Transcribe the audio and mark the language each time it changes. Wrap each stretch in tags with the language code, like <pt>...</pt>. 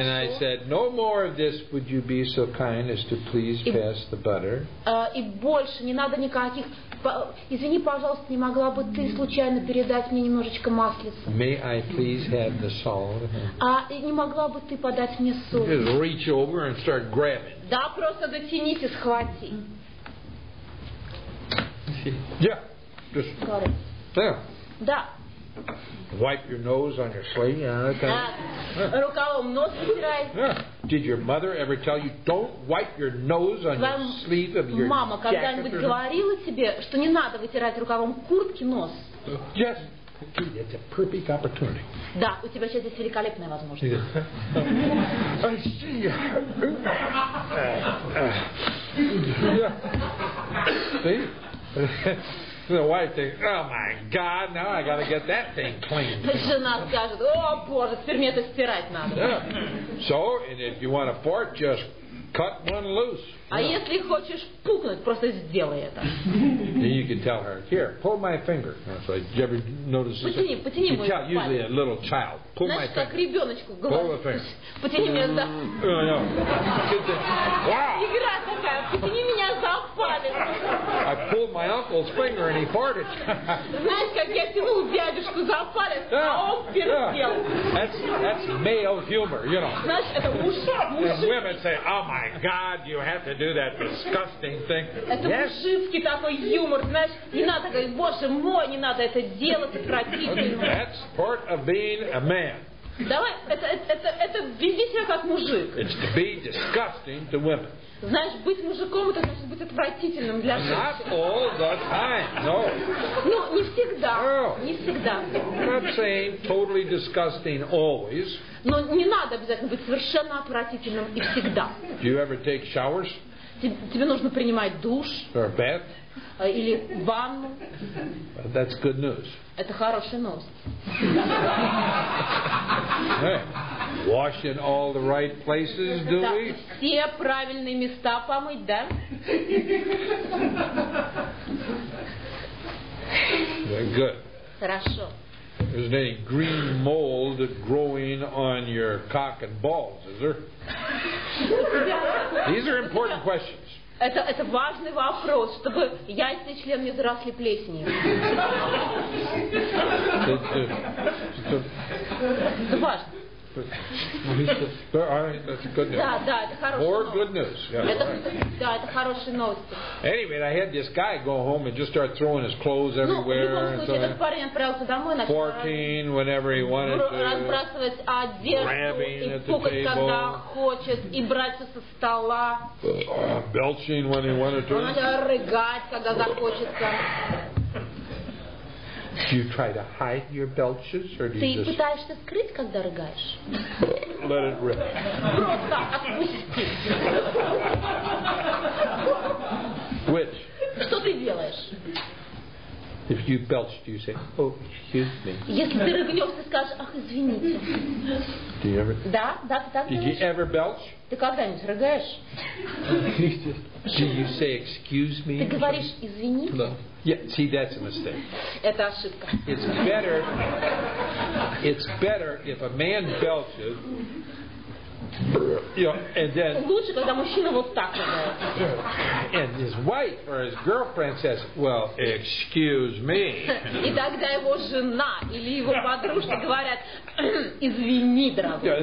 <en>And I said, no more of this, would you be so kind as to please pass the butter?</en> <ru>И больше не надо никаких... Извини, пожалуйста, не могла бы ты случайно передать мне немножечко маслица?</ru> <en>May I please have the salt?</en> <ru>Не могла бы ты подать мне соль?</ru> <en>Just reach over and start grabbing.</en> <ru>Да, просто дотянись и схвати.</ru> <en>Yeah, just got it. There.</en> <ru>Да.</ru> <en>Wipe your nose on your sleeve. Yeah, okay.</en> <ru>Рукавом нос вытирай.</ru> <en>Did your mother ever tell you don't wipe your nose on your sleeve of your</en> <ru>Мама когда-нибудь говорила тебе, что не надо вытирать рукавом куртки нос?</ru> <en>Yes. Gee, it's a perfect opportunity.</en> <ru>Да, у тебя сейчас здесь великолепная возможность.</ru> <en>I see. The wife thinks, oh my God, now I gotta get that thing clean.</en> <ru>Жена скажет, о боже, теперь мне это стирать надо.</ru> <en>So, and if you want a fart, just cut one loose.</en> <ru>А если хочешь пукнуть, просто сделай это.</ru> <en>Then you can tell her, here, pull my finger. So, did you ever notice this?</en> <ru>Потяни, потяни мой палец.</ru> <en>Usually a little child. Pull my finger.</en> <ru>Как ребеночку говорит.</ru> <en>Pull the finger.</en> <ru>Потяни меня за... Игра такая, потяни меня за палец.</ru> <en>I pulled my uncle's finger and he farted.</en> <ru>Знаешь, как я тянул дядюшку за палец, а он пердел.</ru> <en>That's male humor, you know.</en> <ru>Знаешь, это мужик.</ru> <en>And women say, oh my God, you have to do that disgusting thing.</en> <ru>Это мужицкий такой юмор, знаешь, не надо говорить, боже мой, не надо это делать, это противно.</ru> <en>That's part of being a man.</en> <ru>Давай, это веди себя как мужик.</ru> <en>It's to be disgusting to women.</en> <ru>Знаешь, быть мужиком, это значит быть отвратительным для женщин.</ru> <en>Not all the time, no.</en> <ru>Ну, не всегда, не всегда.</ru> <en>I'm not saying totally disgusting always.</en> <ru>Но не надо обязательно быть совершенно отвратительным и всегда.</ru> <en>Do you ever take showers?</en> <ru>Тебе нужно принимать душ.</ru> <en>Or a bath?</en> <ru>Или ванну.</ru> <en>That's good news.</en> <ru>Это хорошая новость.</ru> <en>Hey. Wash in all the right places, do</en> <ru>да,</ru> <en>we?</en> <ru>Все правильные места помыть, да?</ru> <en>Very good.</en> <ru>Хорошо.</ru> <en>Is there any green mold growing on your cock and balls, is there? These are important questions.</en> <ru>Это важный вопрос, чтобы яйца и член не заросли плесенью. Это важно.</ru> <en>All right, that's good news.</en> <ru>Да, да, это хорошая</ru> <en>More</en> <ru>новость.</ru> <en>Good news. Yeah,</en> <ru>это,</ru> <en>right.</en> <ru>Да, это хорошие новости.</ru> <en>Anyway, I had this guy go home and just start throwing his clothes everywhere.</en> <ru>Ну, в любом случае, этот парень отправился домой, начал</ru> <en>Forking whenever he wanted to.</en> <ru>Разбрасывать одежду и пукать, когда хочет, и брать все со стола.</ru> <en>Belching when he wanted to.</en> <ru>Рыгать, когда захочется.</ru> <en>Do you try to hide your belches, or do you just...</en> <ru>Ты пытаешься скрыть, когда рыгаешь?</ru> <en>Let it rip.</en> <ru>Просто отпусти.</ru> <en>Which?</en> <ru>Что ты делаешь?</ru> <en>If you belch, do you say, oh, excuse me?</en> <ru>Если ты рыгнешь, ты скажешь, ах, извините.</ru> <en>Do you ever...</en> <ru>Да, да, ты так делаешь.</ru> <en>Did you ever belch?</en> <ru>Ты когда-нибудь рыгаешь?</ru> <en>Do you say, excuse me?</en> <ru>Ты говоришь, извини?</ru> <en>No. Yeah, see, that's a mistake.</en> <ru>Это ошибка.</ru> <en>It's better if a man belches, you know, and then...</en> <ru>Лучше, когда мужчина вот так рыгает.</ru> <en>And his wife or his girlfriend says, well, excuse me.</en> <ru>И тогда его жена или его подружка говорят, извини, дорогой.</ru>